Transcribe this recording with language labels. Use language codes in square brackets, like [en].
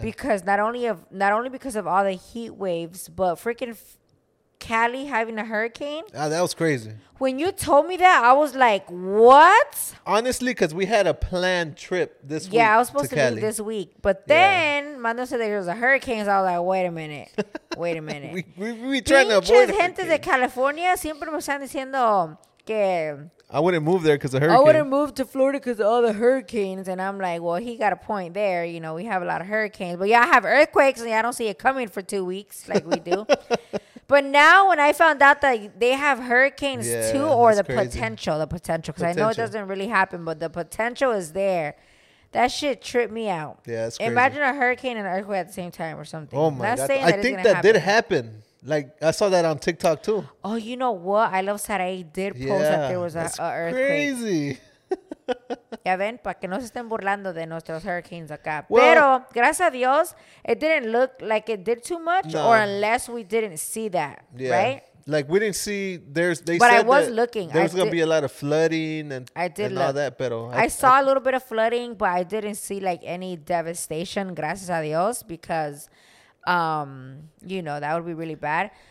[en] Because not only because of all the heat waves, but freaking Cali having a hurricane? That was crazy. When you told me that, I was like, what? Honestly, because we had a planned trip this week. Yeah, I was supposed to leave this week. But then, Mando said there was a hurricane, so I was like, wait a minute. Wait a minute. we trying to avoid it. [es] Gente de California siempre me están diciendo que... [en] I wouldn't move there because of hurricanes. I wouldn't move to Florida because of all the hurricanes. And I'm like, well, he got a point there. You know, we have a lot of hurricanes. But yeah, I have earthquakes and I don't see it coming for 2 weeks like we do. But now when I found out that they have hurricanes too, or the potential. Because I know it doesn't really happen, but the potential is there. That shit tripped me out. Yeah, that's crazy. Imagine a hurricane and an earthquake at the same time or something. Oh, my God. I think that did happen. Like, I saw that on TikTok, too. Oh, you know what? I love Sarai did post that there was an earthquake. That's crazy. [es] Ya ven, para que no se estén burlando de nuestros hurricanes acá. [en] Well, [es] pero, gracias a Dios, [en] it didn't look like it did too much, or unless we didn't see that, right? Like, we didn't see, there's going to be a lot of flooding I saw a little bit of flooding, but I didn't see, like, any devastation, [es] gracias a Dios, [en] because, you know, that would be really bad.